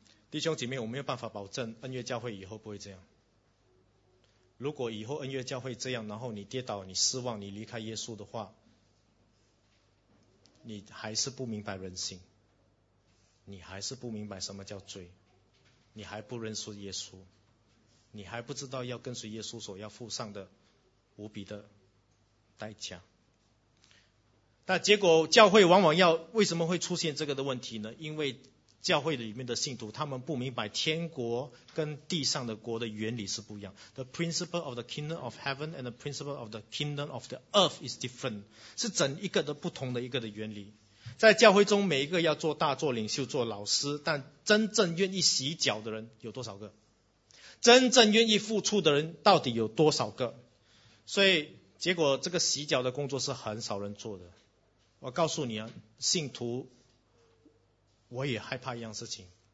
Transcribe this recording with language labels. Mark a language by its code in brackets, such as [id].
[zh] 弟兄姐妹，我没有办法保证恩约教会以后不会这样。如果以后恩约教会这样，然后你跌倒，你失望，你离开耶稣的话，你还是不明白人性，你还是不明白什么叫罪，你还不认识耶稣，你还不知道要跟随耶稣所要付上的无比的代价。但结果教会往往要为什么会出现这个的问题呢？因为教会里面的信徒他们不明白天国跟地上的国的原理是不一样。 [en] The principle of the kingdom of heaven and the principle of the kingdom of the earth is different， [zh] 是整一个的不同的一个的原理。在教会中每一个要做大做领袖做老师，但真正愿意洗脚的人有多少个？真正愿意付出的人到底有多少个？所以结果这个洗脚的工作是很少人做的。我告诉你啊，信徒我也害怕一样事情。